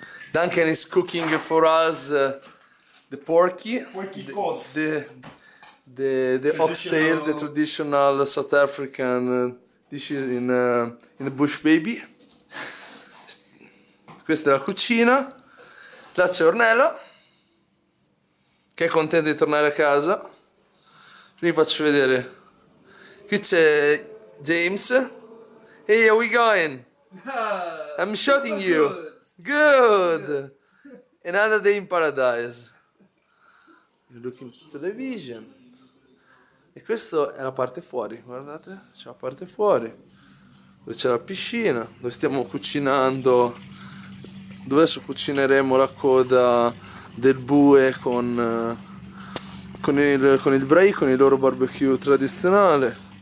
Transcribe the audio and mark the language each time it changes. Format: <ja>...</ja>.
<en>Duncan is cooking for us the porky,</en> <it>Qualche cosa.</it> <en>the oxtail, the Traditional. traditional South African dish in the bush baby.</en> <it>Questa è la cucina. Là c'è Ornella, che è contenta di tornare a casa. Vi faccio vedere. Qui c'è James.</it> <en>Hey, how we going? I'm shooting you. Good. Another day in paradise. You're looking at the television.</en> <it>E questa è la parte fuori, guardate, c'è la parte fuori, dove c'è la piscina, dove stiamo cucinando, dove adesso cucineremo la coda del bue con il brie, con il loro barbecue tradizionale.</it>